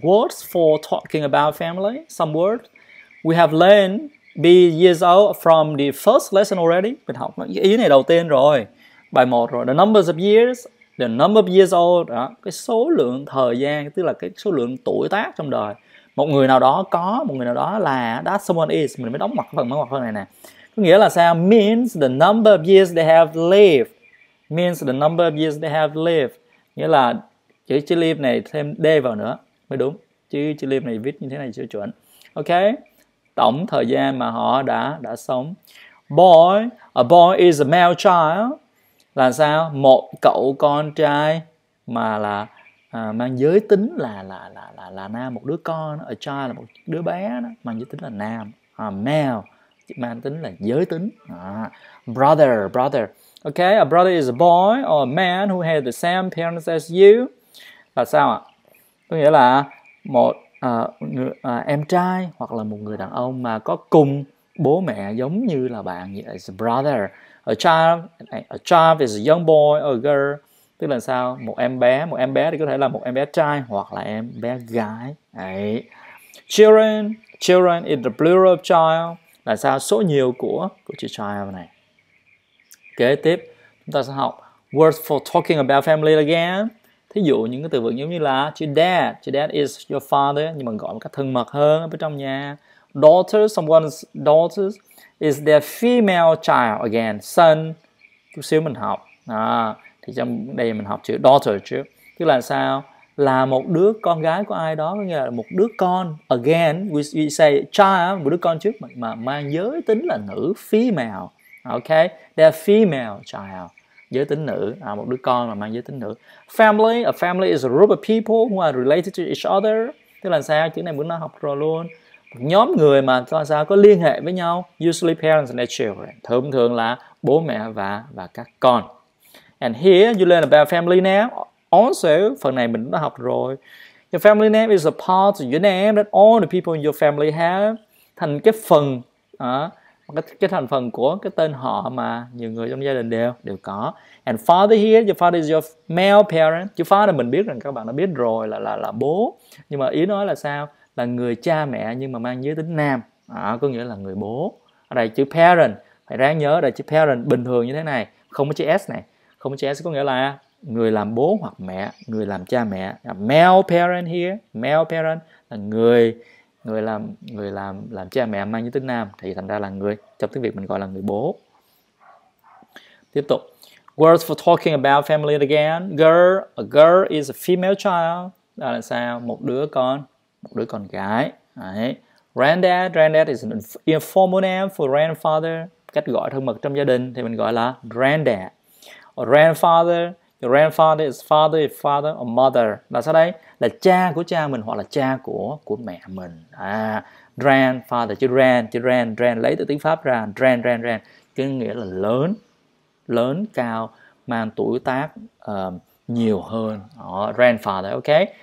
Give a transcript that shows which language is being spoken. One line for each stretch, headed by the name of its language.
English: Words for talking about family. Some words we have learned be years old from the first lesson already.
Vietnamese: Mình học ý này đầu tiên rồi, bài 1 rồi.
English: The numbers of years, the number of years old,
Vietnamese: đó. Cái số lượng thời gian, tức là cái số lượng tuổi tác trong đời. Một người nào đó có, một người nào đó là,
English: that someone is,
Vietnamese: mình mới đóng ngoặc phần ngoặc phần này nè. Có nghĩa là sao?
English: Means the number of years they have lived. Means the number of years they have lived.
Vietnamese: Nghĩa là chữ live này thêm D vào nữa mới đúng. Chữ live này viết như thế này chưa chuẩn. Ok. Tổng thời gian mà họ đã sống.
English: Boy, a boy is a male child.
Vietnamese: Là sao? Một cậu con trai mà là mang giới tính là nam, một đứa con, a child là một đứa bé đó, mang giới tính là nam, male, mang tính là giới tính.
English: Brother, okay, a brother is a boy or a man who has the same parents as you.
Vietnamese: Là sao ạ? Có nghĩa là một em trai hoặc là một người đàn ông mà có cùng bố mẹ giống như là bạn,
English: is a brother. A child is a young boy or a girl.
Vietnamese: Tức là sao? Một em bé thì có thể là một em bé trai hoặc là em bé gái. Đấy.
English: Children is the plural of child.
Vietnamese: Là sao? Số nhiều của chữ child này. Kế tiếp, chúng ta sẽ học
English: words for talking about family again.
Vietnamese: Thí dụ những cái từ vựng giống như là chữ
English: dad is your father,
Vietnamese: nhưng mà gọi một cách thân mật hơn ở trong nhà.
English: Daughter, someone's daughter is their female child again. Son,
Vietnamese: chút xíu mình học. Đó. Thì trong đây mình học chữ daughter trước. Tức là sao? là một đứa con gái của ai đó, có nghĩa là một đứa con,
English: again, we say child,
Vietnamese: một đứa con trước mà mang giới tính là nữ, female, okay,
English: they're female child,
Vietnamese: giới tính nữ, à, một đứa con mà mang giới tính nữ.
English: Family, a family is a group of people who are related to each other,
Vietnamese: tức là sao, chữ này bữa nay học rồi luôn, một nhóm người mà sao có liên hệ với nhau,
English: usually parents and their children,
Vietnamese: thường thường là bố mẹ và các con.
English: And here you learn about family now. Also,
Vietnamese: phần này mình đã học rồi.
English: Your family name is a part of your name that all the people in your family have.
Vietnamese: Thành cái phần, cái thành phần của cái tên họ mà nhiều người trong gia đình đều có.
English: And father here, your father is your male parent.
Vietnamese: Chữ father mình biết rằng các bạn đã biết rồi là bố. Nhưng mà ý nói là sao? Là người cha mẹ nhưng mà mang giới tính nam. Có nghĩa là người bố. Ở đây chữ parent, phải ráng nhớ là chữ parent bình thường như thế này. Không có chữ S này. Không có chữ S có nghĩa là người làm bố hoặc mẹ, người làm cha mẹ. Male parent here, male parent là người làm cha mẹ mang giới tính nam, thì thành ra là người, trong tiếng Việt mình gọi là người bố. Tiếp tục.
English: Words for talking about family again. Girl, a girl is a female child.
Vietnamese: Đó là sao? Một đứa con gái. Đấy.
English: Granddad is an informal name for grandfather,
Vietnamese: cách gọi thân mật trong gia đình thì mình gọi là granddad. Or grandfather. Your grandfather is father, if father or mother. Là sao đây? Là cha của cha mình hoặc là cha của mẹ mình. Grandfather, chữ grand, lấy từ tiếng Pháp ra. Grand, chữ nghĩa là lớn, lớn, cao, mang tuổi tác nhiều hơn. Grandfather, okay?